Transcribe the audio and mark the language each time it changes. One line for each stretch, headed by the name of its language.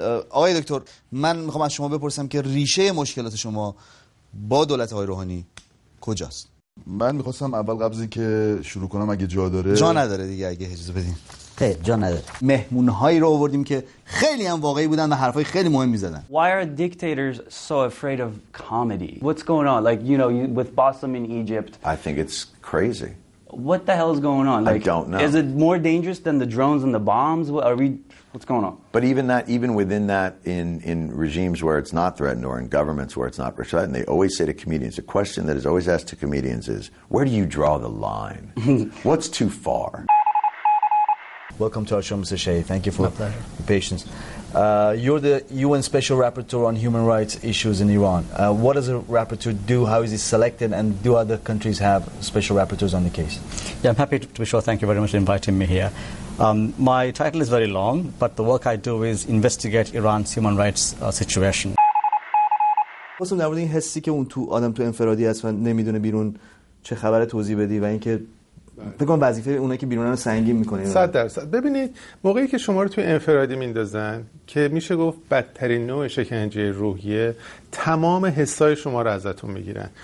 Persian: آقای دکتر، من میخوام از شما بپرسم که ریشه مشکلات شما با دولت آقای روحانی کجاست؟ من میخواستم اول قبل از این که شروع کنم اگه جا داره. جا نداره دیگه، اگه اجازه بدین. خیر، جا نداره. مهمونهایی رو آوردیم که خیلی هم واقعی بودن و حرفای خیلی مهم میزدن.
English: Why are dictators so afraid of comedy? What's going on? Like, you know, with Bassem in Egypt. I think it's crazy. What the hell is going on? Like, I don't know. Is it more dangerous than the drones and the bombs? What's going on? But even within that, in regimes where it's not threatened or in governments where it's not threatened, they always say to comedians, a question that is always asked to comedians is, where do you draw the line? What's too far? Welcome to our show, Mr. Shea. Thank you for the patience. You're the UN Special Rapporteur on human rights issues in Iran. What does a rapporteur do? How is he selected? And do other countries have special rapporteurs on the case? Yeah, I'm happy to be sure. Thank you very much for inviting me here. My title is very long, but the work I do is investigate Iran's human rights situation.
Persian: خواستم در مورد این حسی که اون تو آدم تو انفرادی هست و نمیدونه بیرون چه خبر توضیح بدی و اینکه بگم وظیفه اونایی که بیرونن رو سنگین میکنه. 100%. ببینید، موقعی که شما رو توی انفرادی میندازن که میشه گفت بدترین نوع شکنجه روحیه، تمام حسای شما رو ازتون میگیرن.